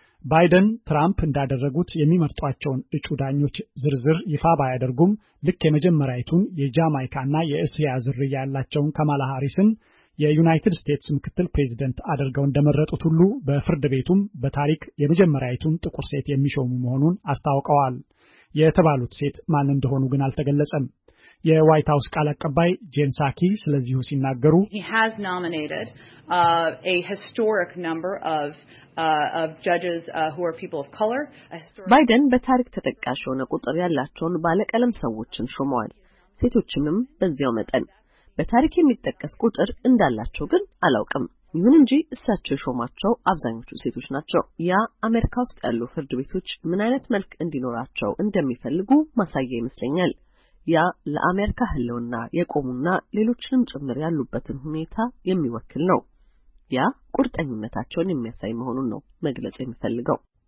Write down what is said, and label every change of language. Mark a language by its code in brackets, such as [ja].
[am] ባይደን ትራምፕ እንዳደረጉት የሚመርጧቸውን እጩ ዳኞች ዝርዝር ይፋ ባያደርጉም ልክ የመጀመሪያቱን የጃማይካና የእስያ ዝርያ ያላቸውን ካማላ ሃሪስን የዩናይትድ ስቴትስ ምክትል ፕሬዝዳንት አድርገው እንደመረጡት ሁሉ በፍርድ ቤቱም በታሪክ የመጀመሪያቱን ጥቁር ሴት የሚሾሙ መሆኑን አስታውቀዋል። የተባሉት ሴት ማን እንደሆኑ ግን አልተገለጸም። የዋይት ሃውስ ቃል አቀባይ ጄን ሳኪ ስለዚህ ሲናገሩ [en] He has nominated a historic number of judges who are people of color. [am] ባይደን በታሪክ ተጠቃሽ ሆነ ቁጥር ያላቸውን ባለቀለም ሰዎችን ሾመዋል። ሴቶችንም በዚያው መጠን በታሪክ የሚጠቀስ ቁጥር እንዳላቸው ግን አላውቅም። ይሁን እንጂ እሳቸው ሾማቸው አብዛኞቹ ሴቶች ናቸው። ያ አሜሪካ ውስጥ ያሉ ፍርድ ቤቶች ምን አይነት መልክ እንዲኖራቸው እንደሚፈልጉ ማሳያ ይመስለኛል። ያ ለአሜሪካ ህልውና የቆሙና ሌሎችንም ጭምር ያሉበትን ሁኔታ የሚወክል ነው። ያ ቁርጠኝነታቸውን የሚያሳይ መሆኑን ነው መግለጽ የሚፈልገው።